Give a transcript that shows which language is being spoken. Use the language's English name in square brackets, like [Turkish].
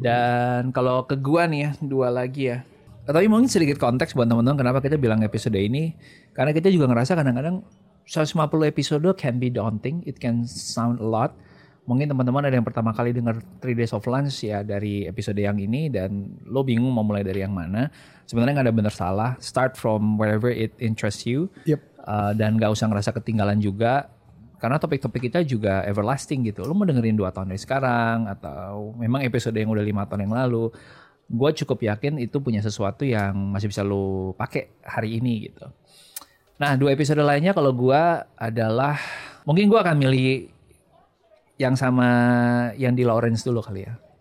[Indonesian] Dan kalau ke gua nih ya, dua lagi ya. Tapi mungkin sedikit konteks buat teman-teman kenapa kita bilang episode ini. Karena kita juga ngerasa kadang-kadang 150 episode [English] can be daunting, it can sound a lot. [Indonesian] Mungkin teman-teman ada yang pertama kali dengar 3 Days of Lunch ya dari episode yang ini dan lo bingung mau mulai dari yang mana. Sebenarnya gak ada benar salah. [English] Start from wherever it interests you. Yep. [Indonesian] Dan gak usah ngerasa ketinggalan juga. Karena topik-topik kita juga everlasting gitu. Lo mau dengerin 2 tahun dari sekarang atau memang episode yang udah 5 tahun yang lalu. Gue cukup yakin itu punya sesuatu yang masih bisa lo pakai hari ini gitu. Nah, 2 episode lainnya kalau gue adalah mungkin gue akan milih yang sama yang di Lawrence dulu kali ya.